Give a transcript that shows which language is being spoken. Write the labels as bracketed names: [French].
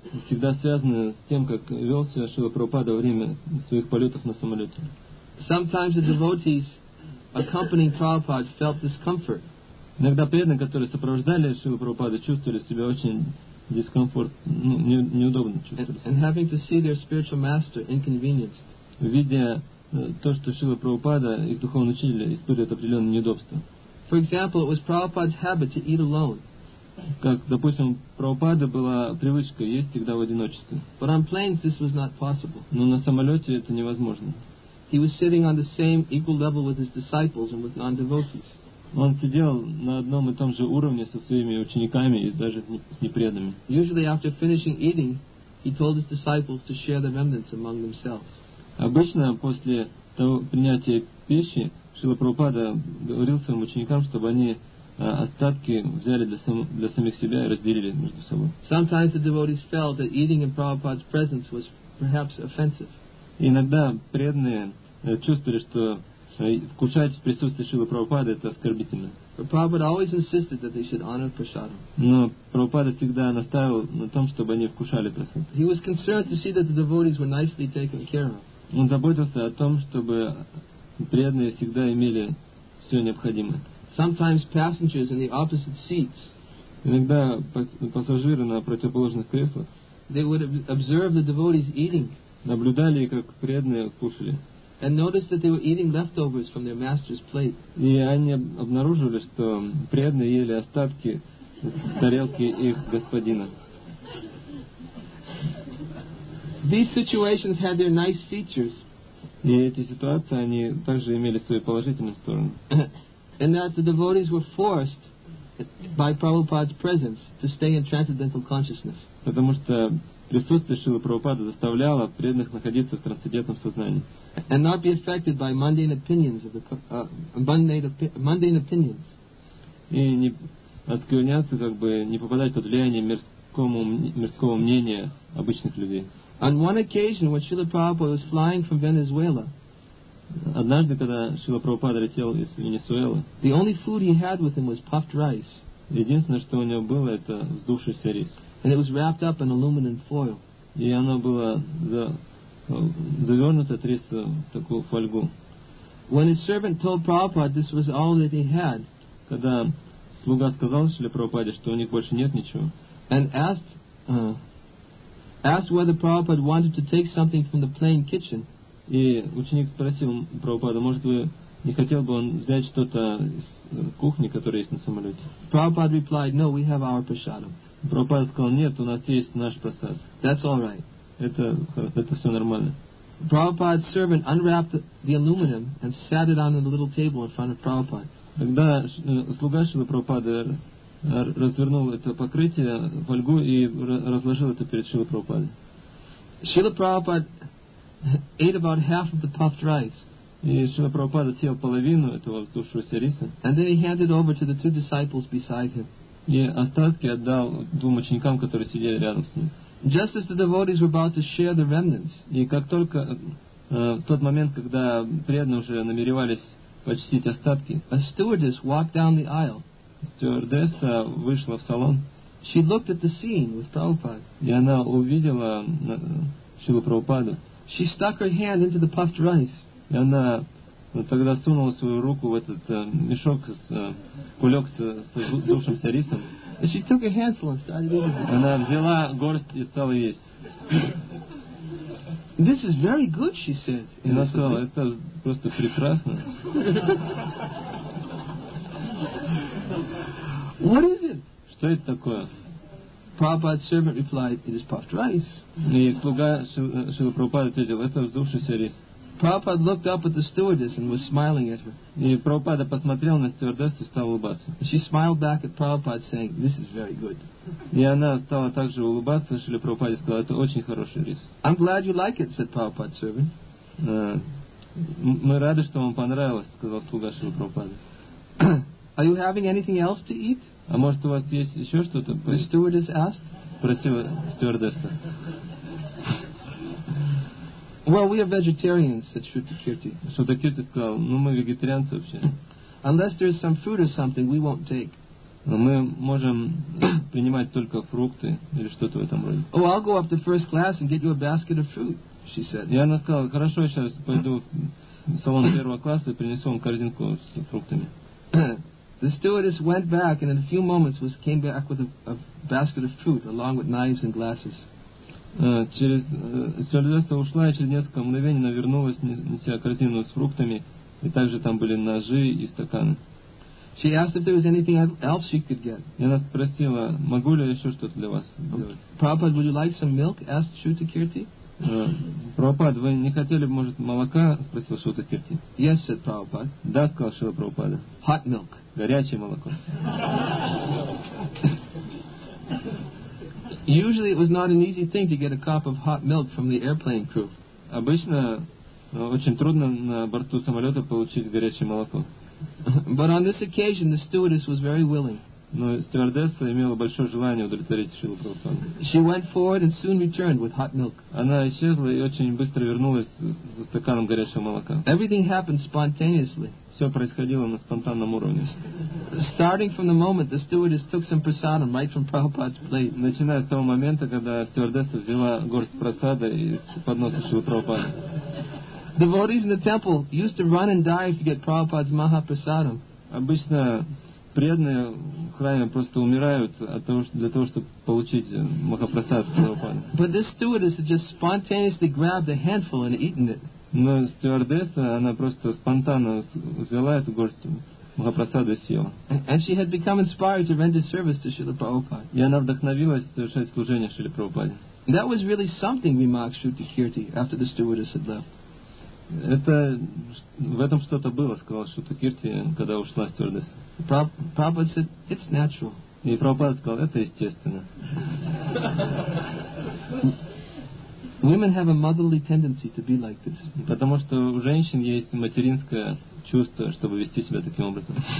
[Russian] всегда связаны с тем, как вел себя Шрила Прабхупада во время своих полетов на самолете. [English] Sometimes the devotees accompanying Prabhupada felt discomfort. [Russian] Иногда преданные, которые сопровождали Шрила Прабхупада, чувствовали себя очень неудобно. [English] And having to see their spiritual master inconvenienced. [Russian] Видя то, что Шрила Прабхупада, их духовный учитель, испытывает определенные неудобства. [English] For example, it was Prabhupada's habit to eat alone. [Russian] Как, допустим, Прабхупада была привычка есть всегда в одиночестве. [English] But on planes this was not possible. [Russian] Но на самолете это невозможно. [English] He was sitting on the same equal level with his disciples and with non-devotees. [Russian] Он сидел на одном и том же уровне со своими учениками и даже с непреданными. [English] Usually after finishing eating, he told his disciples to share the remnants among themselves. [Russian] Обычно после того принятия пищи Шрила Прабхупада говорил своим ученикам, чтобы они остатки взяли для самих себя и разделили между собой. [English] Sometimes the devotees felt that eating in Prabhupada's presence was perhaps offensive. [Russian] Иногда преданные чувствовали, что вкушать в присутствии Шрилы Прабхупады это оскорбительно. [English] But Prabhupada always insisted that they should honor prasadam. [Russian] Но Прабхупада всегда настаивал на том, чтобы они вкушали прасад. [English] He was concerned to see that the devotees were nicely taken care of. [Russian] Он заботился о том, чтобы преданные всегда имели все необходимое. [English] Sometimes passengers in the opposite seats. [Russian] Иногда пассажиры на противоположных креслах. [English] They would observe the devotees eating. [Russian] Наблюдали, как преданные кушали. [English] And noticed that they were eating leftovers from their master's plate. [Russian] И они обнаружили, что преданные ели остатки с тарелки их господина. [English] These situations had their nice features. [Russian] И эти ситуации они также имели свои положительные стороны. [English] And that the devotees were forced by Prabhupada's presence to stay in transcendental consciousness. [Russian] Потому что присутствие Шрилы Прабхупады заставляло преданных находиться в трансцендентном сознании. [English] And not be affected by mundane opinions of the mundane opinions. [Russian] И не отклоняться, как бы не попадать под влияние мирского мнения обычных людей. [English] On one occasion, when Srila Prabhupada was flying from Venezuela. [Russian] Однажды, когда Шрила Прабхупада летел из Венесуэлы, [English] the only food he had with him was puffed rice. [Russian] Единственное, что у него было, это сдувшийся рис. [English] And it was wrapped up in aluminum foil. [Russian] И оно было завернуто, этот рис, в такую фольгу. [English] When his servant told Prabhupada this was all that he had, [Russian] когда слуга сказал Шриле Прабхупаде, что у них больше нет ничего, [English] and asked whether Prabhupada wanted to take something from the plain kitchen, [Russian] и ученик спросил Прабхупада, может вы не хотел бы он взять что-то из кухни, которая есть на самолете? [English] Prabhupada replied, no, we have our prasadam. [Russian] Прабхупада сказал, нет, у нас есть наш прасад. [English] That's all right. [Russian] Это все нормально. [English] Prabhupada's servant unwrapped the aluminum and sat it on a little table in front of Prabhupada. [Russian] Тогда слуга Шрилы Прабхупады развернул это покрытие, фольгу и разложил это перед Шрилой Прабхупадой. [English] Шрила Прабхупада ate about half of the puffed rice. [Russian] И Шрила Прабхупада съел половину этого сдувшегося риса. [English] And then he handed over to the two disciples beside him. [Russian] И остатки отдал двум ученикам, которые сидели рядом с ним. [English] Just as the devotees were about to share the remnants. [Russian] И как только в тот момент, когда преданные уже намеревались почтить остатки, [English] a stewardess walked down the aisle. [Russian] Стюардесса вышла в салон. [English] She looked at the scene with Prabhupada. [Russian] И она увидела Шрилу Прабхупаду. [English] She stuck her hand into the puffed rice. [Russian] И она тогда сунула свою руку в этот мешок с кулек с сдувшимся рисом. [English] And she took a handful and started eating. [Russian] Она взяла горсть и стала есть. [English] This is very good, she said. [Russian] И она сказала, это просто прекрасно. [English] What is it? [Russian] Что это такое? [English] Prabhupada's servant replied, it is puffed rice. [Russian] И слуга Шрилы Прабхупады ответил, это сдувшийся рис. [English] Prabhupada looked up at the stewardess and was smiling at her. [Russian] И Прабхупада посмотрел на стюардессу и стал улыбаться. [English] And she smiled back at Prabhupada saying, this is very good. [Russian] И она стала также улыбаться, Шриле Прабхупаде сказала, это очень хороший рис. [English] I'm glad you like it, said Prabhupada's servant. [Russian] Мы рады, что вам понравилось, сказал слуга Шриле Прабхупаде. [English] Are you having anything else to eat? [Russian] А может у вас есть еще что-то? [English] The stewardess asked. [Russian] Спросила стюардесса. [English] Well, we are vegetarians, said Shrutakirti. [Russian] Shrutakirti сказал, ну мы вегетарианцы вообще. [English] Unless there is some fruit or something, we won't take. [Russian] Мы можем принимать только фрукты или что-то в этом роде. [English] Oh, I'll go up to first class and get you a basket of fruit, she said. [Russian] И она сказала, хорошо, сейчас пойду в салон первого класса и принесу вам корзинку с фруктами. [English] The stewardess went back and in a few moments was came back with a basket of fruit along with knives and glasses. [Russian] Стюардесса ушла и через несколько мгновений она вернулась, неся корзину с фруктами, и также там были ножи и стаканы. [English] She asked if there was anything else she could get. [Russian] И она спросила, могу ли я еще что-то для вас сделать. [English] Prabhupada, would you like some milk? Asked Shruti Kirti. [Russian] Prabhupada, вы не хотели, может, молока? Спросил Шрута Кирти. [English] Yes, said Prabhupada. [Russian] Да, сказал Шрута Прабхупада. [English] Hot milk. [Russian] Горячее молоко. [English] Usually it was not an easy thing to get a cup of hot milk from the airplane crew. [Russian] Обычно очень трудно на борту самолета получить горячее молоко. [English] But on this occasion, the stewardess was very willing. [Russian] Но стюардесса имела большое желание удовлетворить Шрилу Прабхупаду. [English] She went forward and soon returned with hot milk. [Russian] Она исчезла и очень быстро вернулась с стаканом горячего молока. [English] Everything happened spontaneously. [Russian] Все происходило на спонтанном уровне. [English] Starting from the moment the stewardess took some prasadam right from Prabhupada's plate. [Russian] Начиная с того момента, когда стюардесса взяла горсть прасада из подноса Шрилы Прабхупады. [English] Devotees in the temple used to run and dive to get Prabhupada's Mahaprasadam. [Russian] Обычно преданные в храме просто умирают для того, чтобы получить Махапрасад Прабхупады. [English] But this stewardess had just spontaneously grabbed a handful and eaten it. [Russian] Но стюардесса, она просто спонтанно взяла эту горсть Махапрасада и съела. [English] And she had become inspired to render service to Srila Prabhupada. [Russian] И она вдохновилась совершать служение Шриле Прабхупаде. [English] That was really something, remarked Shruti Kirti after the stewardess had left. [Russian] Это в этом что-то было, сказал Шрута Кирти, когда ушла стюардесса. [English] Prabhupada said, it's natural. [Russian] И Прабхупада сказал, это естественно. [English] Women have a motherly tendency to be like this. [Russian] Потому что у женщин есть материнское чувство, чтобы вести себя таким образом.